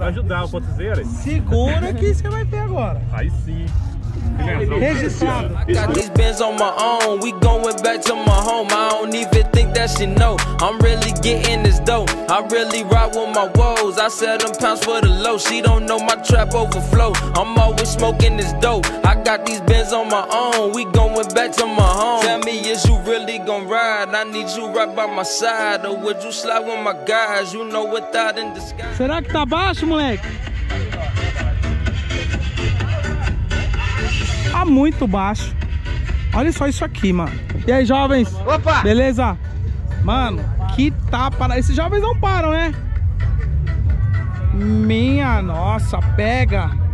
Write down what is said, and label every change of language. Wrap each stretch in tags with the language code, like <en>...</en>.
<pt>Vai ajudar o potezeiro aí. Segura que isso que vai ter agora. Aí sim. Registrado.</pt> <en>I got these bins on my own. We going back to my home. I don't even think that she know. I'm really getting this dough. I really ride with my woes. I sell them pounds for the low. She don't know my trap overflow. I'm always smoking this dough. I got these bins on my own. We going back to my home. Tell me, is you really gonna ride? I need you right by my side. Or would you slide with my guys? You know without in disguise.</en> <pt>Será que tá baixo, moleque? Tá muito baixo. Olha só isso aqui, mano. E aí, jovens? Opa! Beleza? Mano, que tapa. Esses jovens não param, né? Minha nossa, pega.</pt>